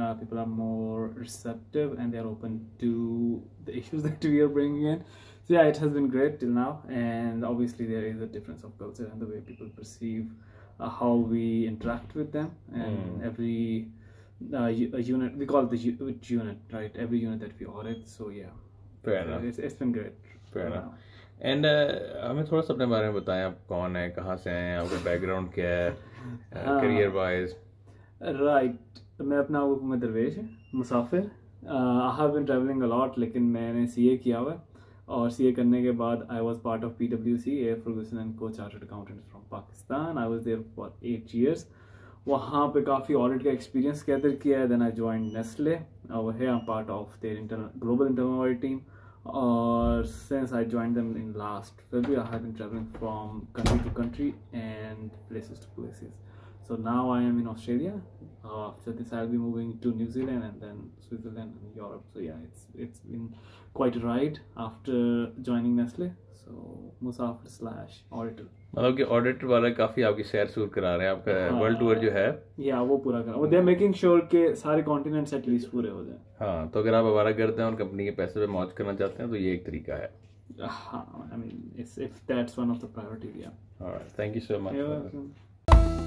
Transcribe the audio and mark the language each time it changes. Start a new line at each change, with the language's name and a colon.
English: People are more receptive and they're open to the issues that we are bringing in. So yeah, it has been great till now. And obviously there is a difference of culture and the way people perceive how we interact with them, and every unit, we call it the unit, right? Every unit that we audit. So yeah, fair enough. It's been great. Fair enough.
Hindi: And हमें थोड़ा सा अपने बारे में बताएं, आप कौन हैं, कहाँ से हैं, आपके background क्या है, career wise.
English: Right.
Hindi: मैं अपना वो मैं दरवेश मुसाफिर.
English: I have been traveling a lot,
Hindi: लेकिन मैंने CA किया हुआ है. और सीए करने के बाद
English: I was part of पीडब्ल्यूसी air Ferguson and को chartered accountant from Pakistan. I was there for 8 years.
Hindi: वहाँ पे काफ़ी ऑडिट का एक्सपीरियंस गैदर किया है.
English: Then I join Nestle over here. I am part of their global internal audit team. और since I join them in last February, I have been travelling from country to country and places to places. So now I am in Australia. After this, I'll be moving to New Zealand and then Switzerland and Europe. So yeah, it's been quite a ride after joining Nestle. So musafir slash auditor.
Hindi: मतलब कि audit वाले काफी आपकी सैर सूर करा रहे हैं, आपका वर्ल्ड टूर जो है. या वो पूरा करा,
English: they are making sure
Hindi: के सारे कॉन्टिनेंट्स एटलीस्ट पूरे हो जाएं. हाँ, तो अगर आप आवारा करते हैं और कंपनी के पैसे पे मौज करना चाहते हैं तो ये एक तरीका है.
English: हाँ, I mean, if that's one of the priority, yeah. All right, thank you so much.